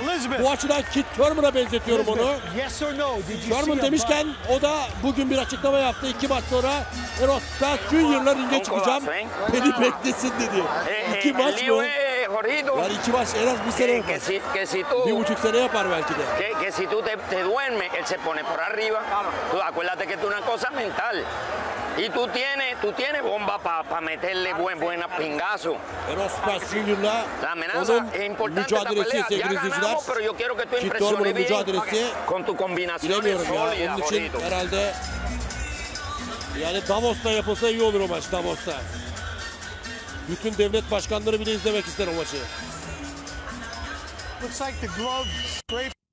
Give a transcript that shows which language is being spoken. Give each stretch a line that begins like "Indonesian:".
Turkish: Elizabeth. Bu açıdan Keith Thurman'a benzetiyorum Elizabeth. Onu.
English: Yes or no?
Turkish: Thurman demişken o da bugün bir açıklama yaptı. İki maç sonra Errol Spence Jr.'la ringe çıkacağım. Beni beklesin dedi. İki maç mı? Yani iki maç en az bir sene yapar. Bir buçuk sene yapar belki de.
Spanish: Que si tú te duermes, él se pone por arriba. Acuérdate que es una cosa mental. Y tú tienes bomba para meterle buena pingazo.
Turkish: Errol Spence Jr.'la
Spanish: la amenaza es importante la pelea. Ya ganamos, pero yo quiero que tú impresiones bien con tu combinación sólida, Jorito.
Turkish: Onun için herhalde yani Davos'ta yapılsa iyi olur o maç, Davos'ta. Bütün devlet başkanları bile izlemek ister o maçı.
English: Looks like the glove scraped.